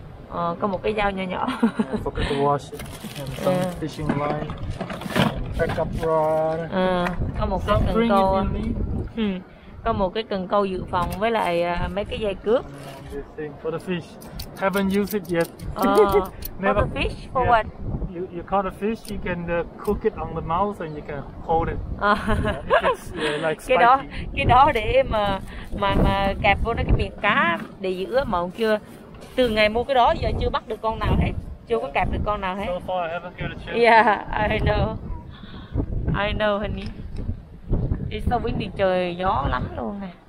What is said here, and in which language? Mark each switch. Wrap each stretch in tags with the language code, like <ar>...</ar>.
<vi>Có một cái dao nhỏ.</vi> <en>Forgot to wash it. And some fishing line. Backup rod.</en> <vi>Có một cái cần câu. Có một cái cần câu dự phòng với lại mấy cái dây cướp.</vi> <en>This thing for the fish. Haven't used it yet. Never. For the fish? For what? You caught a fish, you can cook it on the mouth and you can hold it. Like spiky.</en> <vi>Cái đó để mà kẹp vô nó cái miệng cá để giữ á, mà chưa. Từ ngày mua cái đó giờ chưa bắt được con nào hết. Chưa có kẹp được con nào hết.</vi> <en>So far I haven't got a chance. Yeah, I know honey. It's so windy,</en> <vi>trời gió lắm luôn nè.</vi>